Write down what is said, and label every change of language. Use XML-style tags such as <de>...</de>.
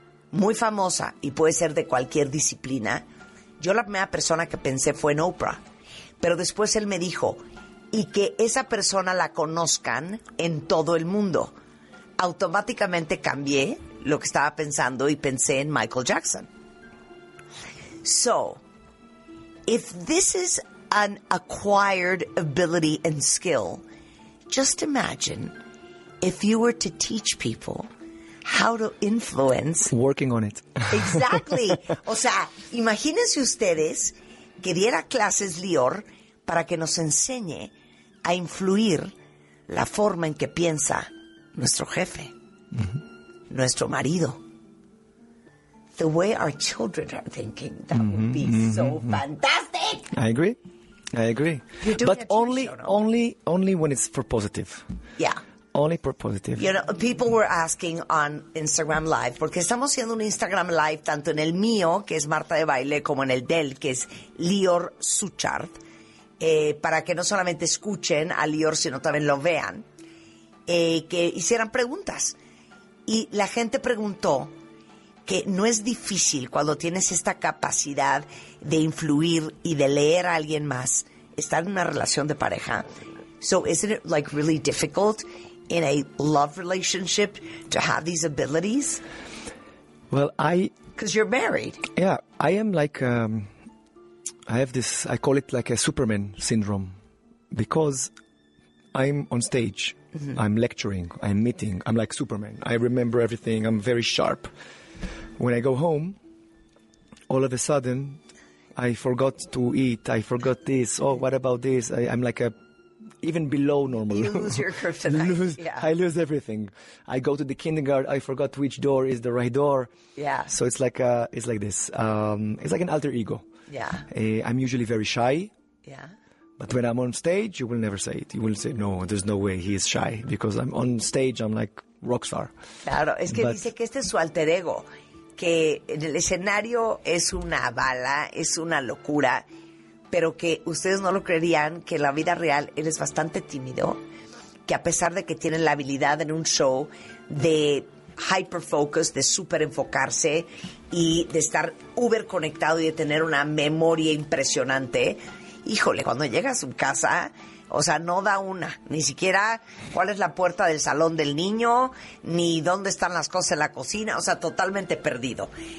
<es>Muy famosa y puede ser de cualquier disciplina. Yo la primera persona que pensé fue en Oprah, pero después él me dijo, y que esa persona la conozcan en todo el mundo. Automáticamente cambié lo que estaba pensando y pensé en Michael Jackson.</es> <en>So, if this is an acquired ability and skill, just imagine if you were to teach people how to influence. Working on it. Exactly.</en> <es>O sea, imagínense ustedes que diera clases Lior para que nos enseñe a influir la forma en que piensa nuestro jefe, nuestro marido.</es> <en>The way our children are thinking, that would be so fantastic. I agree. You're doing but only, show, no? only when it's for positive. Yeah. Only for positive. You know, people were asking on Instagram Live,</en> <es>porque estamos haciendo un Instagram Live tanto en el mío, que es Marta de Baile, como en el del, que es Lior Suchard, para que no solamente escuchen a Lior, sino también lo vean, que hicieran preguntas. Y la gente preguntó que no es difícil cuando tienes esta capacidad de influir y de leer a alguien más, estar en una relación de pareja.</es> <en>So, isn't it, like, really difficult in a love relationship to have these abilities? Well, I... Because you're married. Yeah, I am like... I have this... I call it like a Superman syndrome. Because I'm on stage. Mm-hmm. I'm lecturing. I'm meeting. I'm like Superman. I remember everything. I'm very sharp. When I go home, all of a sudden, I forgot to eat. I forgot this. Oh, what about this? I'm like a... Even below normal. You lose your kryptonite. I lose everything. I go to the kindergarten. I forgot which door is the right door. Yeah. So it's like this. It's like an alter ego. Yeah. I'm usually very shy. Yeah. But when I'm on stage, you will never say it. You will say, no, there's no way he is shy. Because I'm on stage, I'm like rock star.</en> <es>Claro. Es que dice que este es su alter ego. Que en el escenario es una bala, es una locura. Pero que ustedes no lo creerían, que en la vida real eres bastante tímido, que a pesar de que tienen la habilidad en un show de hyperfocus, de super enfocarse y de estar uber conectado y de tener una memoria impresionante, híjole, cuando llega a su casa, o sea, no da una, ni siquiera cuál es la puerta del salón del niño, ni dónde están las cosas en la cocina, o sea, totalmente perdido.</es>